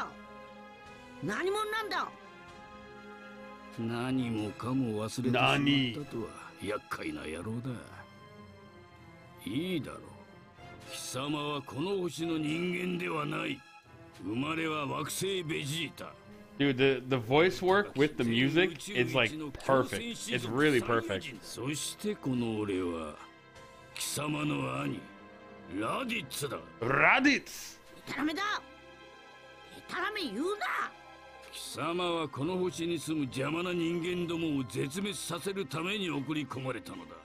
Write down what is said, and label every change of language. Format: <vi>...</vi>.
<ja>フフフフフ成長したな。だが一目で分かったぞ、カカロットよ。父親にそっくりだ。ま、カカロット、この星のありさまは何だ。今まで何を遊んでいた。お、おめえ、一体誰だ。何者なんだ。何もかも忘れてしまったとは厄介な野郎だ。いいだろう。貴様はこの星の人間ではない。生まれは惑星ベジータ。</ja> <en>Dude, the voice work with the music is like perfect. It's really perfect.</en> <ja>そしてこの俺は貴様の兄、ラディッツだ。ラディッツ。ダメだ。ダメ言うな。貴様はこの星に住む邪魔な人間どもを絶滅させるために送り込まれたのだ。</ja>